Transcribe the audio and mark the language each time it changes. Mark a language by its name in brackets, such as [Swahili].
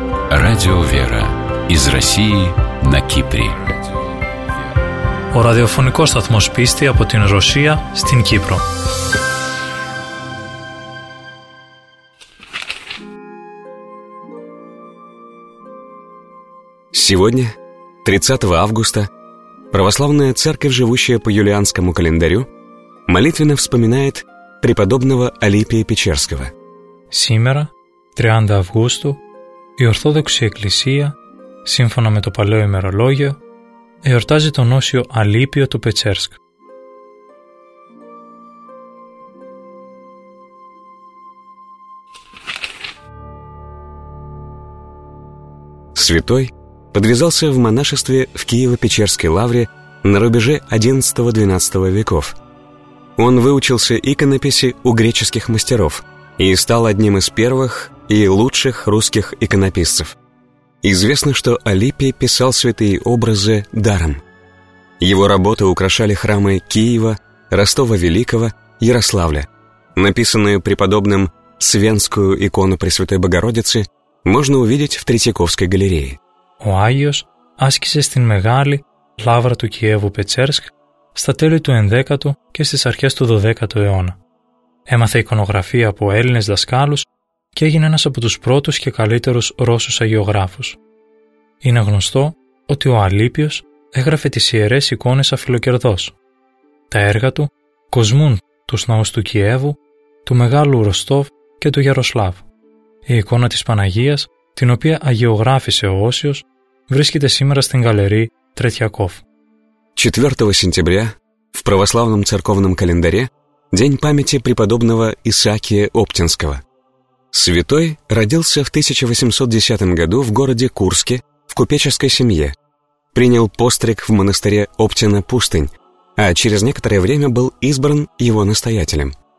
[Russian] Радио «Вера» из России на Кипре. [Greek] Ο ραδιοφωνικός σταθμός πίστη από την Ρωσία στην Κύπρο. [Russian] Сегодня, 30 августа, православная церковь, живущая по юлианскому календарю, молитвенно вспоминает преподобного Алипия Печерского. Сегодня, 30 августа, [Greek] η Ορθόδοξη Εκκλησία, σύμφωνα με το παλαιό ημερολόγιο, εορτάζει τον Όσιο Αλίπιο του Πετσέρσκ. [Russian] Святой подвязался в монашестве в Киево-Печерской лавре на рубеже 11-12 веков. Он выучился иконописи у греческих мастеров и стал одним из первых и лучших русских иконописцев. Известно, что Алипий писал святые образы даром. Его работы украшали храмы Киева, Ростова Великого, Ярославля. Написанную преподобным Свенскую икону Пресвятой Богородицы можно увидеть в Третьяковской галерее. [Greek] Ο Άγιος άσκησε στην μεγάλη λάβρα του Κιέβου Πετσέρσκ στα τέλη του 11ου και στις αρχές του 12ου αιώνα. Έμαθε εικονογραφία από Έλληνες δασκάλους και έγινε ένας από τους πρώτους και καλύτερους Ρώσους αγιογράφους. Είναι γνωστό ότι ο Αλίπιος έγραφε τις ιερές εικόνες αφιλοκερδός. Τα έργα του κοσμούν τους ναούς του Κιέβου, του Μεγάλου Ροστόβ και του Γιαροσλάβ. Η εικόνα της Παναγίας, την οποία αγιογράφησε ο Όσιος, βρίσκεται σήμερα στην γαλερί Τρετιακόφ. [Russian] 4 σεντεμβρία, в православном церковном календаре, день памяти преподобного Исаакия Оптинского. Святой родился в 1810 году в городе Курске в купеческой семье. Принял постриг в монастыре Оптина-Пустынь, а через некоторое время был избран его настоятелем.